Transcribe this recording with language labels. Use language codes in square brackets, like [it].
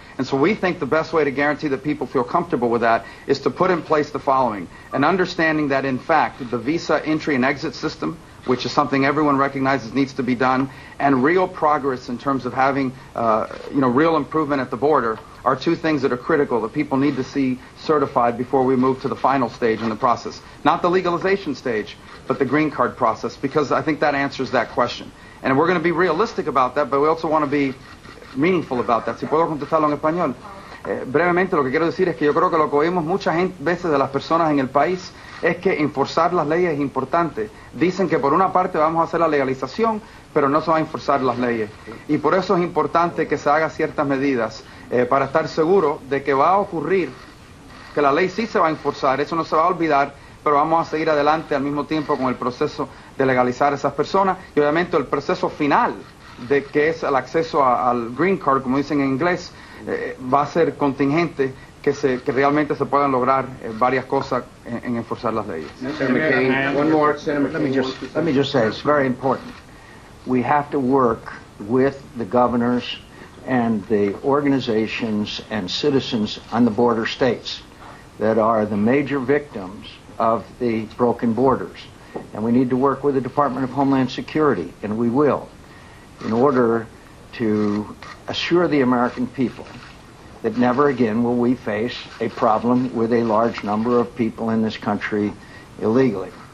[en] And so we think the best way to guarantee that people feel comfortable with that is to put in place the following: an understanding that, in fact, the visa entry and exit system, which is something everyone recognizes needs to be done, and real progress in terms of having real improvement at the border, are two things that are critical that people need to see certified before we move to the final stage in the process. Not the legalization stage, but the green card process, because I think that answers that question. And we're going to be realistic about that, but we also want to be meaningful about that. [es] Si puedo contestarlo en español. Brevemente, lo que quiero decir es que yo creo que lo que oímos muchas veces de las personas en el país es que enforzar las leyes es importante. Dicen que por una parte vamos a hacer la legalización, pero no se va a enforzar las leyes. Y por eso es importante que se haga ciertas medidas para estar seguro de que va a ocurrir, que la ley sí se va a enforzar, eso no se va a olvidar, pero vamos a seguir adelante al mismo tiempo con el proceso de legalizar a esas personas. Y obviamente el proceso final de que es el acceso al green card, como dicen en inglés, va a ser contingente que realmente se puedan lograr varias cosas en enforzar las leyes. [en] Senator McCain, one more. Let me just say, it's very important. We have to work with the governors and the organizations and citizens on the border states that are the major victims of the broken borders. And we need to work with the Department of Homeland Security, and we will, in order to assure the American people that never again will we face a problem with a large number of people in this country illegally.